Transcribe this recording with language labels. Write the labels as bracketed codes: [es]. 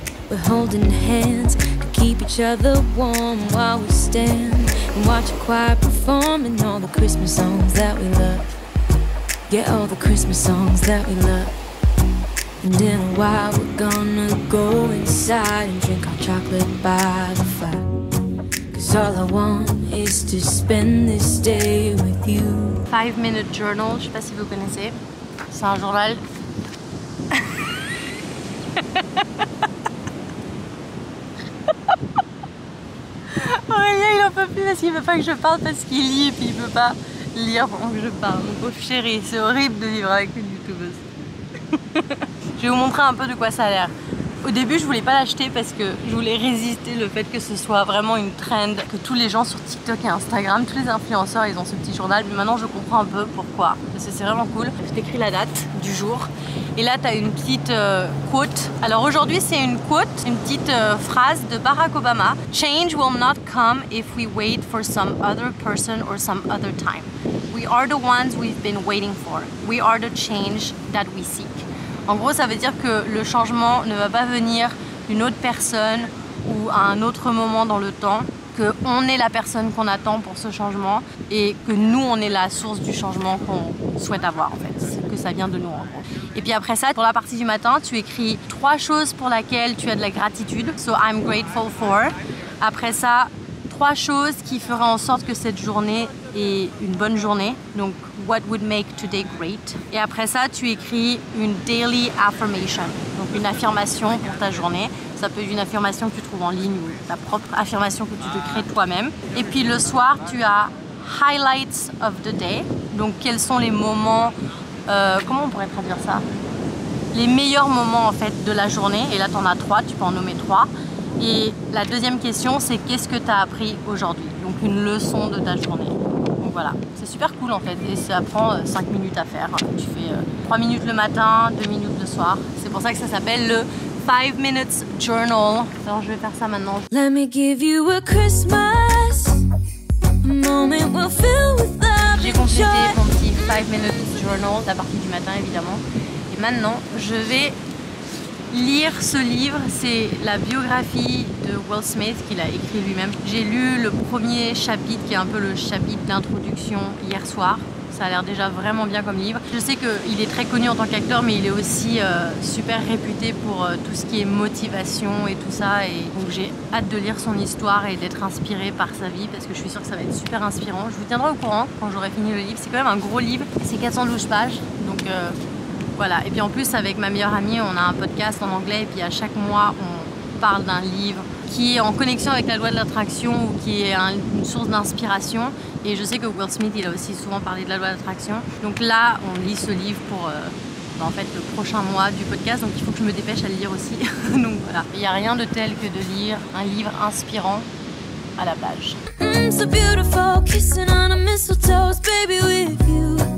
[en] We're holding hands to keep each other warm while we stand and watch a choir perform, and all the Christmas songs that we love. Yeah, all the Christmas songs that we love. And in a while we're gonna go inside and drink our chocolate by the fire. 'Cause all I want is to spend this day with you. [fr] 5 minute journal, je sais pas si vous connaissez. C'est un journal. Aurélien, il en peut plus parce qu'il veut pas que je parle parce qu'il lit et puis il peut pas lire pendant que je parle. Mon pauvre chéri, c'est horrible de vivre avec une youtubeuse. Je vais vous montrer un peu de quoi ça a l'air. Au début, je voulais pas l'acheter parce que je voulais résister le fait que ce soit vraiment une trend, que tous les gens sur TikTok et Instagram, tous les influenceurs, ils ont ce petit journal. Mais maintenant, je comprends un peu pourquoi. Parce que c'est vraiment cool. Je t'écris la date du jour. Et là, t'as une petite quote. Alors aujourd'hui, c'est une quote, une petite phrase de Barack Obama. [en] Change will not come if we wait for some other person or some other time. We are the ones we've been waiting for. We are the change that we seek. [fr] En gros, ça veut dire que le changement ne va pas venir d'une autre personne ou à un autre moment dans le temps, qu'on est la personne qu'on attend pour ce changement et que nous, on est la source du changement qu'on souhaite avoir, en fait, que ça vient de nous, en gros. Et puis après ça, pour la partie du matin, tu écris 3 choses pour lesquelles tu as de la gratitude. [en] So I'm grateful for. [fr] Après ça, 3 choses qui feraient en sorte que cette journée est une bonne journée. [en] Donc, what would make today great? [fr] Et après ça, tu écris une daily affirmation. Donc, une affirmation pour ta journée. Ça peut être une affirmation que tu trouves en ligne ou ta propre affirmation que tu te crées toi-même. Et puis, le soir, tu as [en] highlights of the day. [fr] Donc, quels sont les moments... comment on pourrait traduire ça? Les meilleurs moments, en fait, de la journée. Et là, tu en as 3. Tu peux en nommer 3. Et la deuxième question, c'est qu'est-ce que tu as appris aujourd'hui? Donc une leçon de ta journée. Donc voilà, c'est super cool en fait. Et ça prend 5 minutes à faire. Tu fais 3 minutes le matin, 2 minutes le soir. C'est pour ça que ça s'appelle le 5 minutes journal. Alors je vais faire ça maintenant. [en] Let me give you a Christmas moment we'll fill with love. [fr] J'ai complété mon petit 5 minutes journal, la partie du matin évidemment. Et maintenant, je vais... lire ce livre, c'est la biographie de Will Smith qu'il a écrit lui-même. J'ai lu le premier chapitre qui est un peu le chapitre d'introduction hier soir. Ça a l'air déjà vraiment bien comme livre. Je sais qu'il est très connu en tant qu'acteur, mais il est aussi super réputé pour tout ce qui est motivation et tout ça. Et donc j'ai hâte de lire son histoire et d'être inspirée par sa vie parce que je suis sûre que ça va être super inspirant. Je vous tiendrai au courant quand j'aurai fini le livre. C'est quand même un gros livre, c'est 412 pages. Donc voilà, et puis en plus avec ma meilleure amie, on a un podcast en anglais et puis à chaque mois on parle d'un livre qui est en connexion avec la loi de l'attraction ou qui est une source d'inspiration. Et je sais que Will Smith, il a aussi souvent parlé de la loi de l'attraction. Donc là, on lit ce livre pour en fait, le prochain mois du podcast, donc il faut que je me dépêche à le lire aussi. Donc voilà, il n'y a rien de tel que de lire un livre inspirant à la plage. [en] So beautiful, kissing on a mistletoe, baby with you.